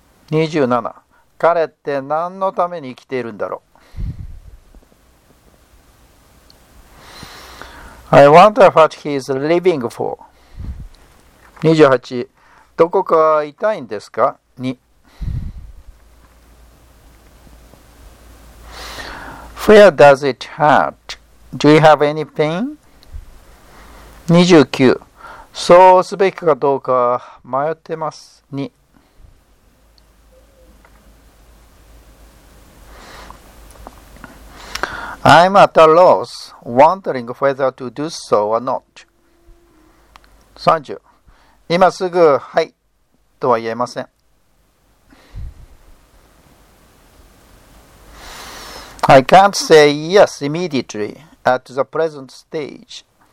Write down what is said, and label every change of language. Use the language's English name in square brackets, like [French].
[English] 27. [Japanese] 彼って何のために生きているんだろう。 [English] I wonder what he is living for. 28. [Japanese] どこか痛いんですか？に。 [English] Where does it hurt? Do you have any pain? 29. [Japanese] そうすべきかどうか迷ってます。に。 [English] I'm at a loss, wondering whether to do so or not. 30. [Japanese] 今すぐ、はい、とは言えません。 [English] I can't say yes immediately at the present stage.